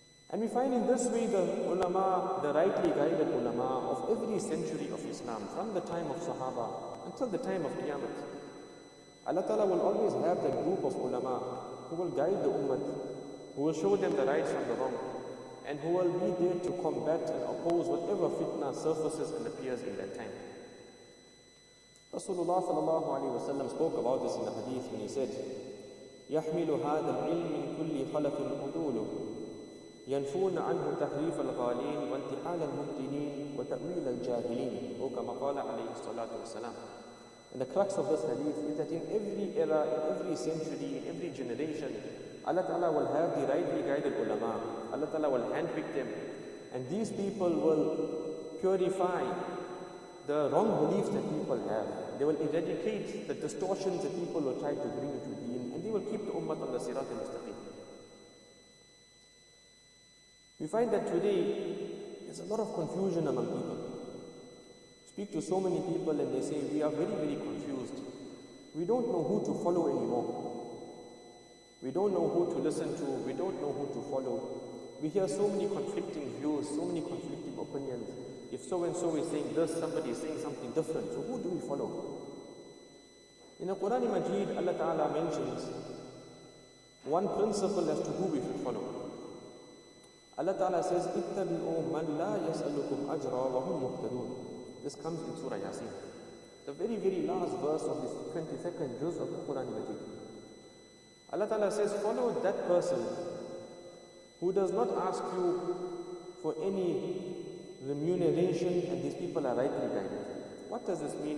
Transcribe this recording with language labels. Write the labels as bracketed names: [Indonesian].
[English] And we find in this way the ulama, the rightly guided ulama of every century of Islam, from the time of Sahaba until the time of Qiyamah. Allah Ta'ala will always have that group of ulama who will guide the ummah, who will show them the right from the wrong, and who will be there to combat and oppose whatever fitna surfaces and appears in that time. Rasulullah sallallahu alayhi wa sallam spoke about this in the hadith when he said, [Arabic] يَحْمِلُ هَذَا الْعِلْمِ مِنْ كُلِّ خَلَفٍ عُدُولُ يَنْفُونَ عَنْهُ تَحْرِيفَ الْغَالِينَ وَانْتِحَالَ الْمُبْدِنِينَ وَتَأْوِيلَ الْجَاهِلِينَ هو كما قال عليه الصلاة والسلام. [English] And the crux of this hadith is that in every era, in every century, in every generation, Allah Ta'ala will have the rightly guided ulama. Allah Ta'ala will handpick them. And these people will purify the wrong beliefs that people have. They will eradicate the distortions that people will try to bring into deen, and they will keep the ummah on the sirat al-mustaqim. We find that today there's a lot of confusion among people. Speak to so many people and they say, we are very, very confused. We don't know who to follow anymore. We don't know who to listen to. We don't know who to follow. We hear so many conflicting views, so many conflicting opinions. If so-and-so is saying this, somebody is saying something different. So who do we follow? In the Quran Majeed, Allah Ta'ala mentions one principle as to who we should follow. Allah Ta'ala says, [Arabic] اِتَّبِعُوا مَنْ لَا يَسْأَلُكُمْ أَجْرًا وَهُمْ مُهْتَدُونَ. [English] This comes in Surah Yasin, the very, very last verse of this 22nd juz of the Quran Majeed. Allah Ta'ala says, follow that person who does not ask you for any remuneration, and these people are rightly guided. What does this mean?